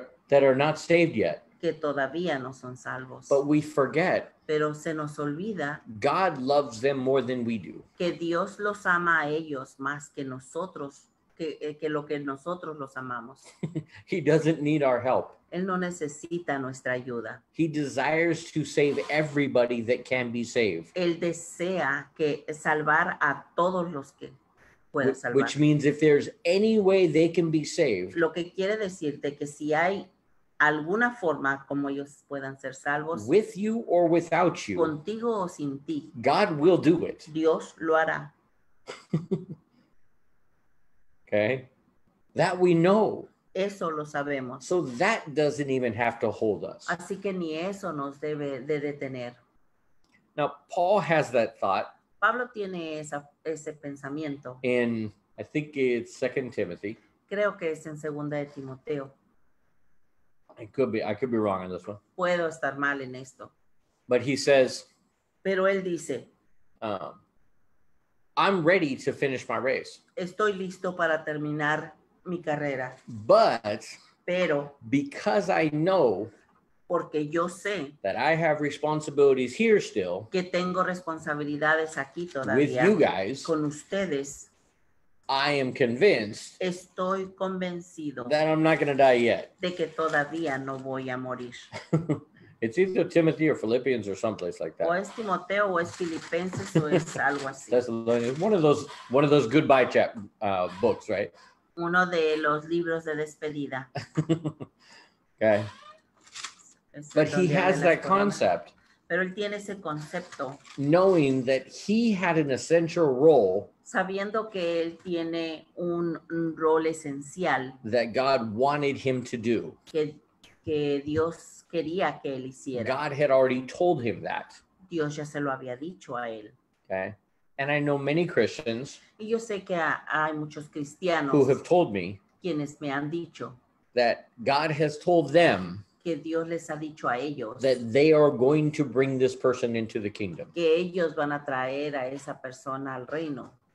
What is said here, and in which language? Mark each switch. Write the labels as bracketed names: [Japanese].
[English] that are not saved yet, [Spanish] que todavía no son salvos. [English] But we forget, [Spanish] pero se nos olvida, [English] God loves them more than we do, [Spanish] que Dios los ama a ellos más que nosotros, que lo que nosotros los amamos. [English] He doesn't need our help. [Spanish] Él no necesita nuestra ayuda. [English] He desires to save everybody that can be saved. [Spanish] Él desea que salvar a todos los que pueda salvar. [English] Which means if there's any way they can be saved, [Spanish] lo que quiere decirte que si hay alguna forma como ellos puedan ser salvos, [English] with you or without you, [Spanish] contigo o sin ti, [English] God will do it. [Spanish] Dios lo hará. [English] Okay, that we know. [Spanish] Eso lo sabemos. [English] So that doesn't even have to hold us. [Spanish] Así que ni eso nos debe de detener. [English] Now Paul has that thought. [Spanish] Pablo tiene ese pensamiento. [English] In, I think it's 2 Timothy. [Spanish] Creo que es en Segunda de Timoteo. [English] I could be wrong on this one. [Spanish] Puedo estar mal en esto. [English] But he says. [Spanish] Pero él dice. [English] I'm ready to finish my race. [Spanish] Estoy listo para terminar mi carrera. [English] But. [Spanish] Pero. [English] Because I know. [Spanish] Porque yo sé. [English] That I have responsibilities here still. [Spanish] Que tengo responsabilidades aquí todavía. [English] With you guys. [Spanish] Con ustedes. [English] I am convinced. [Spanish] Estoy convencido. [English] That I'm not going to die yet. [Spanish] De que todavía no voy a morir. [English] It's either Timothy or Philippians or someplace like that. [Spanish] O es Timoteo o es Filipenses o es algo así. [English] Thessalonians, one of those goodbye books, right? [Spanish] Uno de los libros de despedida. [English] Okay. But he has that concept. [Spanish] Pero él tiene ese concepto. [English] Knowing that he had an essential role. [Spanish] Sabiendo que él tiene un rol esencial. [English] That God wanted him to do. [Spanish] Que Dios quería que él hiciera. [English] God had already told him that. [Spanish] Dios ya se lo había dicho a él. [English] Okay. And I know many Christians. [Spanish] Y yo sé que hay muchos cristianos. [English] Who have told me. [Spanish] Quienes me han dicho. [English] That God has told them. [Spanish] Que Dios les ha dicho a ellos. [English] That they are going to bring this person into the kingdom. [Spanish] Que ellos van a traer a esa persona al reino.